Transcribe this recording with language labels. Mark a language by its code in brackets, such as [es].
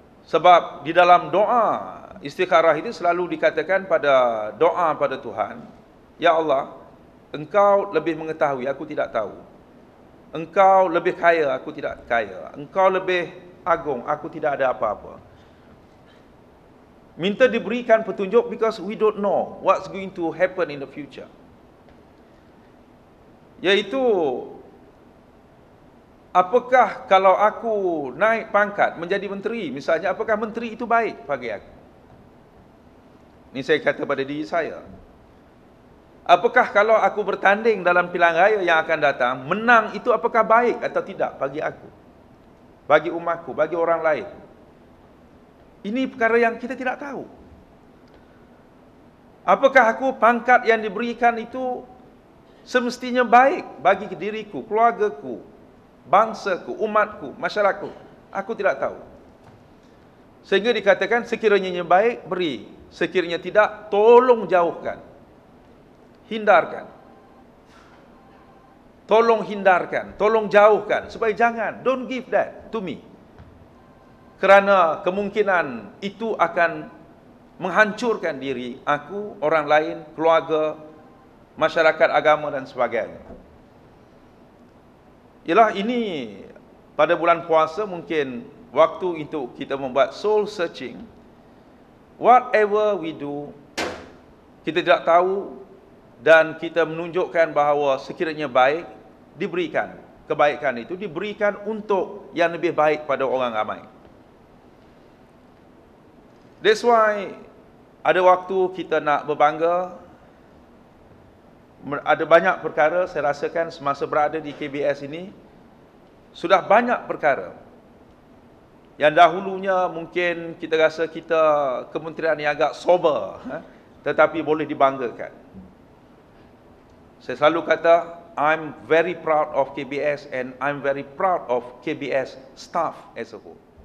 [ms] Sebab di dalam doa istikharah ini selalu dikatakan pada doa pada Tuhan, ya Allah, engkau lebih mengetahui, aku tidak tahu. Engkau lebih kaya, aku tidak kaya. Engkau lebih agung, aku tidak ada apa-apa. [en] Minta diberikan petunjuk because we don't know what's going to happen in the future. [ms] Yaitu, apakah kalau aku naik pangkat menjadi menteri, misalnya, apakah menteri itu baik bagi aku? Ini saya kata pada diri saya. Apakah kalau aku bertanding dalam pilihan raya yang akan datang, menang itu apakah baik atau tidak bagi aku, bagi umatku, bagi orang lain? Ini perkara yang kita tidak tahu. Apakah aku pangkat yang diberikan itu semestinya baik bagi diriku, keluargaku, bangsaku, umatku, masyarakatku? Aku tidak tahu. Sehingga dikatakan sekiranya ia baik, beri. Sekiranya tidak, tolong jauhkan. Hindarkan. Tolong hindarkan, tolong jauhkan supaya jangan, don't give that to me. Kerana kemungkinan itu akan menghancurkan diri aku, orang lain, keluarga, masyarakat, agama dan sebagainya. Ialah ini pada bulan puasa mungkin waktu itu kita membuat soul searching. Whatever we do, kita tidak tahu. Dan kita menunjukkan bahawa sekiranya baik, diberikan. Kebaikan itu diberikan untuk yang lebih baik pada orang ramai. That's why ada waktu kita nak berbangga. Ada banyak perkara saya rasakan semasa berada di KBS ini. Sudah banyak perkara. Yang dahulunya mungkin kita rasa kita kementerian yang agak sober. Tetapi boleh dibanggakan. [en] Saya selalu kata, I'm very proud of KBS and I'm very proud of KBS staff as a whole.